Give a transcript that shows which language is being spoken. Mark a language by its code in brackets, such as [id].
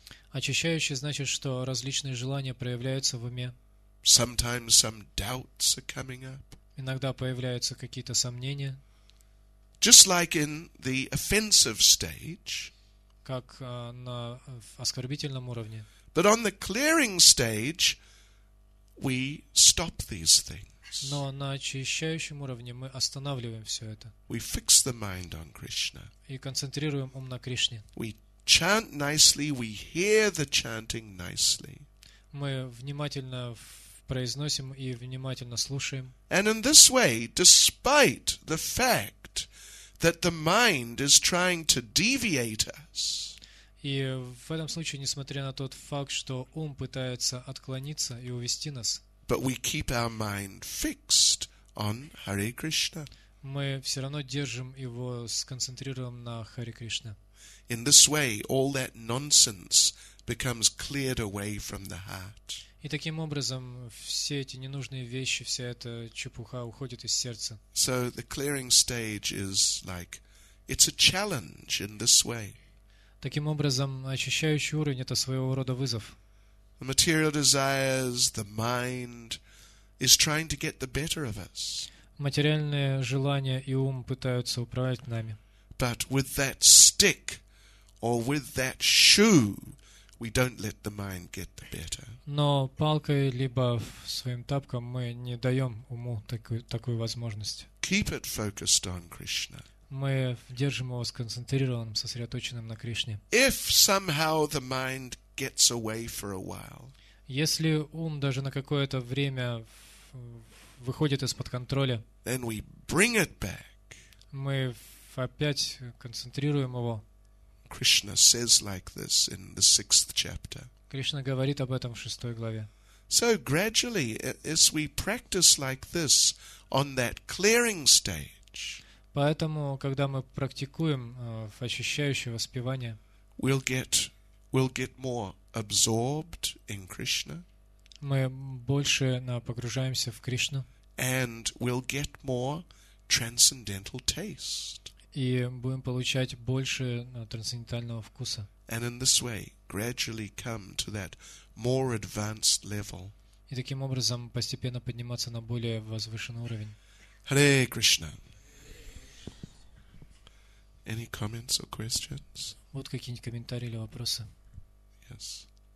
[ru] Очищающий значит, что различные желания проявляются в уме. [en] Sometimes some doubts are coming up. [ru] Иногда появляются какие-то сомнения. [en] Just like in the offensive stage. [ru] Как на оскорбительном уровне. [en] But on the clearing stage, we stop these things. [ru] Но на очищающем уровне мы останавливаем все это. [en] We fix the mind on Krishna. [ru] И концентрируем ум на Кришне. [en] We chant nicely, we hear the chanting nicely. [ru] Мы внимательно произносим и внимательно слушаем. [en] And in this way, despite the fact that the mind is trying to deviate us. [ru] И в этом случае, несмотря на тот факт, что ум пытается отклониться и увести нас, [en] but we keep our mind fixed on Hare Krishna. [ru] Мы все равно держим его сконцентрированным на Харе Кришне. [en] In this way, all that nonsense becomes cleared away from the heart. [ru] И таким образом все эти ненужные вещи, вся эта чепуха уходит из сердца. [en] So the clearing stage is like, it's a challenge in this way. [ru] Таким образом, очищающий уровень — это своего рода вызов. [en] The material desires, the mind is trying to get the better of us. [ru] Материальные желания и ум пытаются управлять нами. [en] But with that stick or with that shoe, we don't let the mind get the better. [ru] Но палкой либо своим тапком мы не даем уму такую возможность. [en] Keep it focused on Krishna. [ru] Мы держим его сконцентрированным, сосредоточенным на Кришне. [en] If somehow the mind gets away for a while. [ru] Если ум даже на какое-то время выходит из-под контроля, [en] then we bring it back. [ru] Мы опять концентрируем его. [en] Krishna says like this in the sixth chapter. [ru] Кришна говорит об этом в шестой главе. [en] So gradually, as we practice like this on that clearing stage, [ru] поэтому, когда мы практикуем очищающее воспевание, [en] we'll get more absorbed in Krishna. [ru] Мы больше погружаемся в Кришну. [en] And we'll get more transcendental taste. [ru] И будем получать больше трансцендентального вкуса. [en] And in this way, gradually come to that more advanced level. [ru] И таким образом постепенно подниматься на более возвышенный уровень. [en] Hare Krishna. Any comments or questions? [ru] Вот какие-нибудь комментарии или вопросы. [en] Yes.